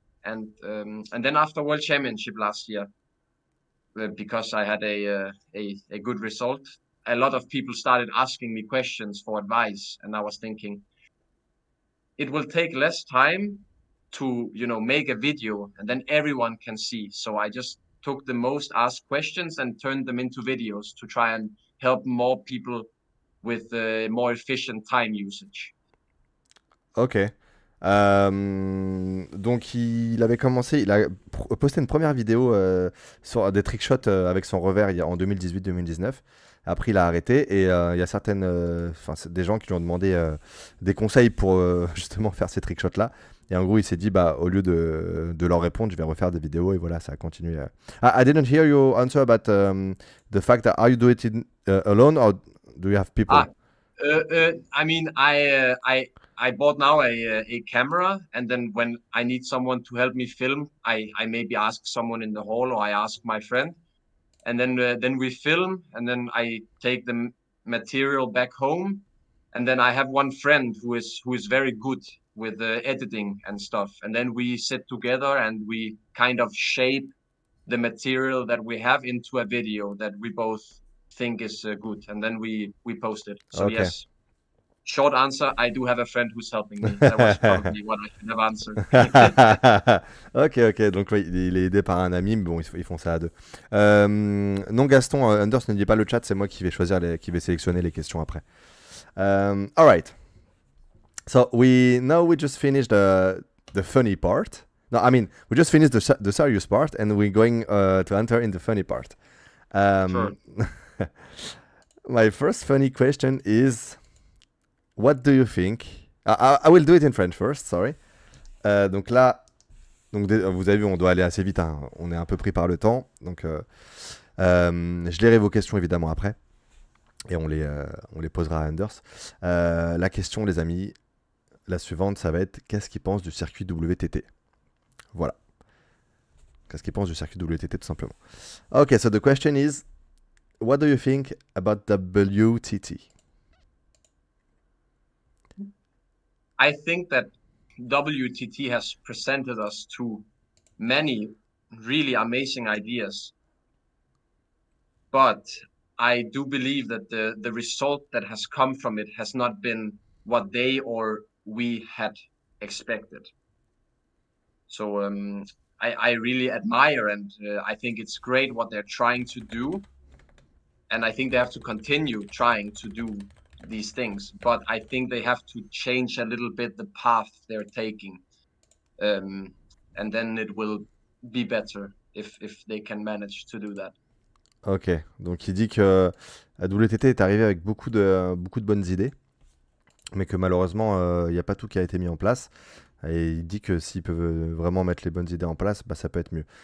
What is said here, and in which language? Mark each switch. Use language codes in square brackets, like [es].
[en] And then after World Championship last year, because I had a good result, a lot of people started asking me questions for advice, and I was thinking it will take less time to make a video and then everyone can see. So I just took the most asked questions and turned them into videos to try and help more people with more efficient time usage. Ok. [fr] Donc il avait commencé, il a posté une première vidéo sur des trickshots avec son revers en 2018-2019. Après il a arrêté et il y a certaines, enfin des gens qui lui ont demandé des conseils pour justement faire ces trickshots-là. Et en gros il s'est dit bah au lieu de leur répondre, je vais refaire des vidéos et voilà ça a continué. [en] I didn't hear your answer about the fact that are you doing it alone or do you have people? I mean, I bought now a camera, and then when I need someone to help me film, I maybe ask someone in the hall or I ask my friend, and then we film, and then I take the material back home, and then I have one friend who is very good with editing and stuff, and then we sit together and we kind of shape the material that we have into a video that we both think is good, and then we post it. So Okay. yes, short answer, I do have a friend who's helping me. That was Ok. probably what I should have answered. [fr] Ok, donc oui, il est aidé par un ami, mais bon, ils font ça à deux. Non, Gaston, Anders, ne dis pas le chat, c'est moi qui vais choisir, qui vais sélectionner les questions après. [en] Alright. So, now we just finished the funny part. No, I mean, we just finished the serious part and we're going to enter in the funny part. Sure. My first funny question is, what do you think? I will do it in French first, sorry. [fr] Donc là, vous avez vu, on doit aller assez vite, hein. On est un peu pris par le temps. Donc, je lirai vos questions évidemment après. Et on les posera à Anders. La question, les amis, la suivante, ça va être, qu'est-ce qu'il pense du circuit WTT? Voilà. Qu'est-ce qu'il pense du circuit WTT, tout simplement. [en] Ok, so the question is, what do you think about WTT? I think that WTT has presented us to many really amazing ideas, but I do believe that the result that has come from it has not been what they or we had expected. So I really admire and I think it's great what they're trying to do, and I think they have to continue trying to do these things, but I think they have to change a little bit the path they're taking, and then it will be better if they can manage to do that. [fr] Ok, donc il dit que la WTT est arrivée avec beaucoup de bonnes idées, mais que malheureusement, il n'y a pas tout qui a été mis en place. Et il dit que s'ils peuvent vraiment mettre les bonnes idées en place, bah, ça peut être mieux.